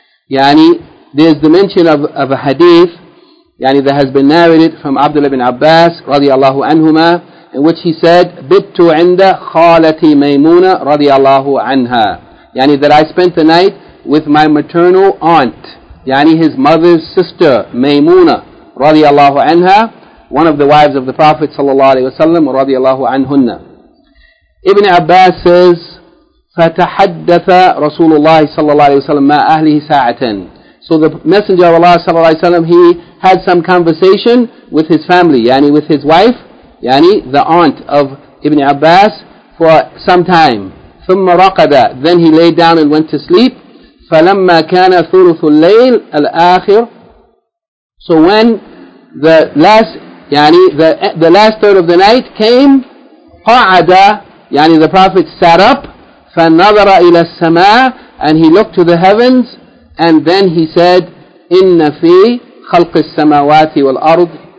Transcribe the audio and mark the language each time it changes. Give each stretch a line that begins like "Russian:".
English: yani there's the mention of a hadith, yani that has been narrated from Abdullah ibn Abbas radiallahu anhuma, in which he said,
Arabic: "Bittu 'inda khalati Maymuna radiallahu anha,"
English: yani that I spent the night with my maternal aunt, yani his mother's sister, Maymuna, radiallahu anha, one of the wives of the Prophet sallallahu alayhi wa sallam, radiallahu anhunna.
Arabic: Ibn Abbas says, فَتَحَدَّثَ رَسُولُ اللَّهِ صَلَّى اللَّهِ عَلَيْهِ وَسَلَّمَ مَا أَهْلِهِ سَاعَةً.
English: So the Messenger of Allah sallallahu alayhi wa sallam, he had some conversation with his family, yani with his wife, yani the aunt of Ibn Abbas, for some time.
Arabic: ثُمَّ رَقَدَ,
English: then he lay down and went to sleep.
Arabic: فَلَمَّا كَانَ ثُلُثُ اللَّيْلِ الْآخِرِ,
English: so when the last, yani the last third of the night came, قَعَدَ, yani the Prophet sat up,
Arabic: فَنَظَرَ إِلَى السَّمَاءِ,
English: and he looked to the heavens, and then he said,
Arabic: إِنَّ فِي خَلْقِ السَّمَاوَاتِ وَالْأَرْضِ